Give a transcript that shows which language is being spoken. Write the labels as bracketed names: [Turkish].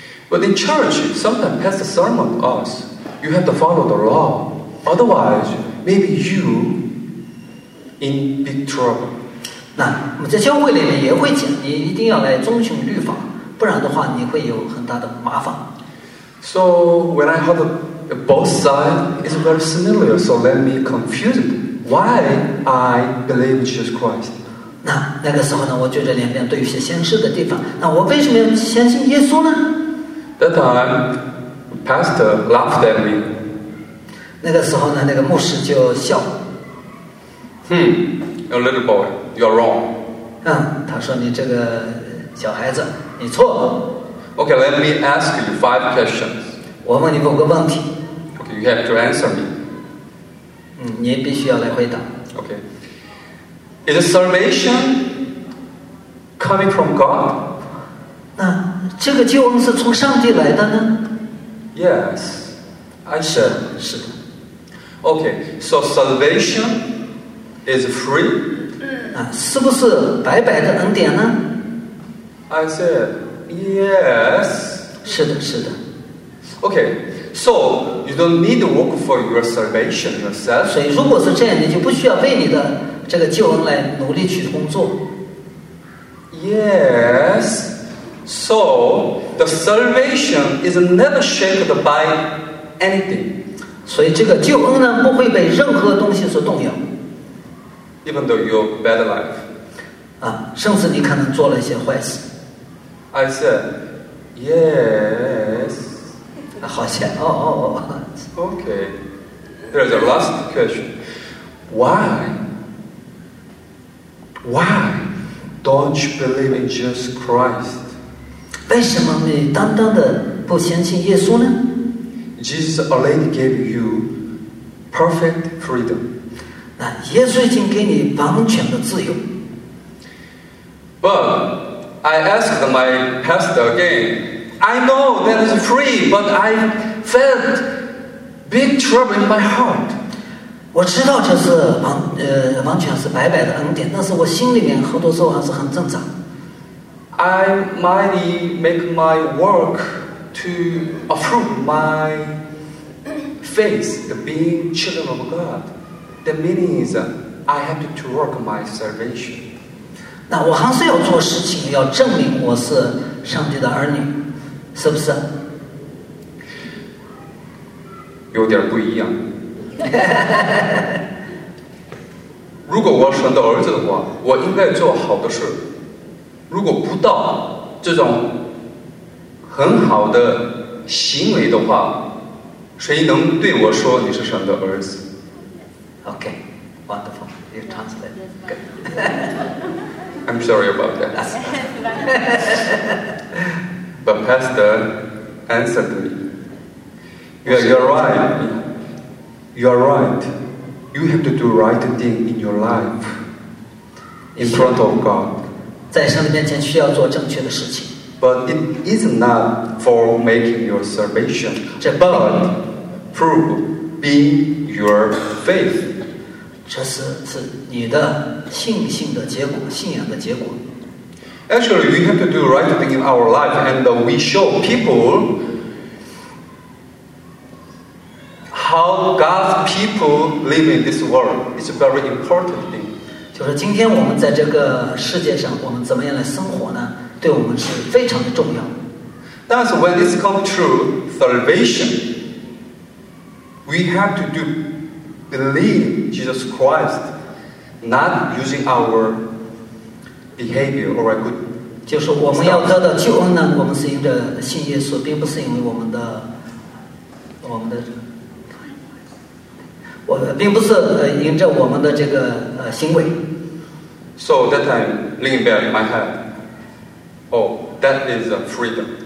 [English] But in church, sometimes pastor sermon to us, you have to follow the law, otherwise maybe you in big trouble. [Chinese] 那我们在教会里面也会讲你一定要来遵循律法。不然的话，你会有很大的麻烦。 [English] So when I heard both sides is very similar, so let me confused why I believe Jesus Christ. [Chinese] 那个时候呢，我觉得两边都有些相似的地方。那我为什么要相信耶稣呢 [English] ？That time, pastor laughed at me. [Chinese] 那个时候呢，那个牧师就笑。 [English] a little boy, you're wrong. [Chinese] 他说你这个小孩子，你错了。 [English] Okay, let me ask you 5 questions. [Chinese] 我问你五个问题。 [English] Okay, you have to answer me. [Chinese] 你必须要来回答。 [English] Okay. Is salvation coming from God? [Chinese] 那这个救恩是从上帝来的呢？ [English] Yes, I said. [Chinese] 是的。 [English] Okay, so salvation is free? [Chinese] 是不是白白的恩典呢？ [English] I said. Yes. [Chinese] 是的，是的。 [English] Okay, so you don't need to work for your salvation yourself. [Chinese] 所以如果是这样，你就不需要为你的这个救恩来努力去工作。 [English] Yes. So the salvation is never shaken by anything. [Chinese] 所以这个救恩呢，不会被任何东西所动摇。 [English] Even though your bad life. [Chinese] 甚至你可能做了一些坏事。 [English] I said, yes. [Chinese] 好险哦哦哦。 [English] Okay. There's a last question. Why? Why don't you believe in Jesus Christ? [Chinese] 为什么你单单的不相信耶稣呢？ [English] Jesus already gave you perfect freedom. [Chinese] 那耶稣已经给你完全的自由。 [English] But. I asked my pastor again. I know that is free, but I felt big trouble in my heart. [Chinese] 我知道这是完全是白白的恩典，但是我心里面好多时候还是很挣扎。 [English] I might make my work to affirm my faith, being children of God. The meaning is I have to work my salvation. [Chinese] 那我还是要做事情，要证明我是上帝的儿女，是不是？有点不一样。如果我是神的儿子的话，我应该做好的事。如果不到这种很好的行为的话，谁能对我说你是神的儿子 [English] ？Okay, wonderful. You translate. Good. I'm sorry about that. But Pastor answered me. You're right. You're right. You have to do right thing in your life. In front of God. [Chinese] 在上帝面前需要做正确的事情。 [English] But it is not for making your salvation, but through being your faith. [Chinese] 这 是你的信心的结果，信仰的结果。 [English] Actually, we have to do right thing in our life, and we show people how God's people live in this world. It's a very important thing. [Chinese] 就是今天我们在这个世界上，我们怎么样来生活呢？对我们是非常的重要。 [English] That's when it's come true salvation. We have to do. Believe Jesus Christ, not using our behavior or a good. [Chinese] 就是我们要得到救恩呢，我们是因着信耶稣，并不是因为我们的这个行为。 [English] So that time, leaning back in my head, oh, that is a freedom.